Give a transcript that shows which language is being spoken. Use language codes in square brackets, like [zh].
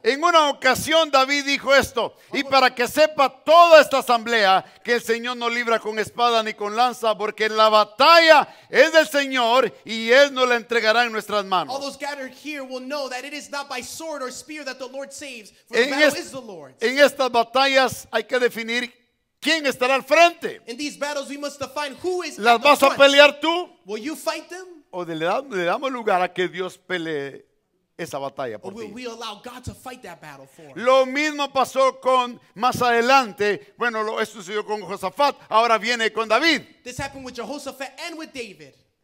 [es] En una ocasión David dijo esto, y para que sepa toda esta asamblea que el Señor no libra con espada ni con lanza, porque la batalla es del Señor y Él nos la entregará en nuestras manos. [en] All those gathered here will know that it is not by sword or spear that the Lord saves, for the battle is the Lord's. [es] En estas batallas hay que definir quién estará al frente. [en] In these battles we must define who is at the front. [es] ¿Las vas a pelear tú? [en] Will you fight them? [es] ¿O le damos lugar a que Dios pelee esa batalla por ti? [en] We allow God to fight that battle for. [es] Lo mismo pasó con más adelante. Bueno, esto sucedió con Josafat. Ahora viene con David. [en] This happened with Jehoshaphat and with David.